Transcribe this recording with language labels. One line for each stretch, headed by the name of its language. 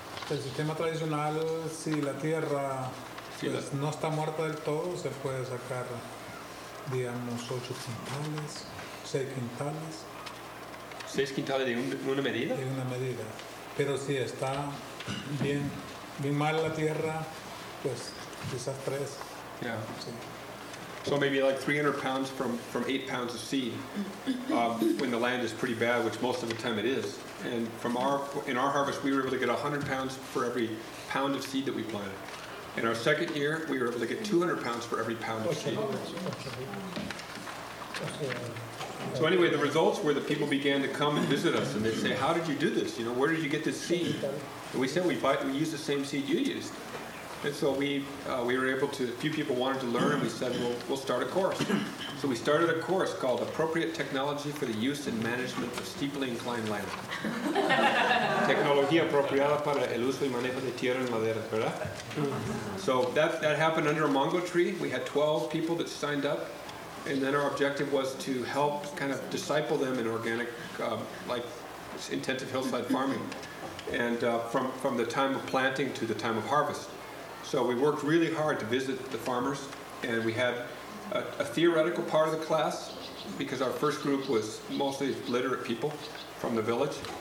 Spanish: El sistema tradicional, si la tierra no está muerta del todo, se puede sacar, digamos, 8 quintales, 6 quintales, 6 quintales de una medida. De una medida. Pero si está bien, bien mal la tierra, pues quizás 3. Yeah. Sí.
English: So maybe like 300 pounds from 8 pounds of seed when the land is pretty bad, which most of the time it is. And from in our harvest, we were able to get 100 pounds for every pound of seed that we planted. In our second year, we were able to get 200 pounds for every pound of seed. So anyway, the results were that people began to come and visit us, and they'd say, how did you do this? You know, where did you get this seed? And we said, we used the same seed you used. And so we were able to, a few people wanted to learn, and we said, we'll start a course. So we started a course called Appropriate Technology for the Use and Management of Steeply Inclined Land.
Spanish: Tecnología apropiada para el uso y manejo de tierra en madera, ¿verdad?
English: So that happened under a mango tree. We had 12 people that signed up. And then our objective was to help kind of disciple them in organic, like intensive hillside farming. And from the time of planting to the time of harvest. So we worked really hard to visit the farmers, and we had a theoretical part of the class, because our first group was mostly literate people from the village.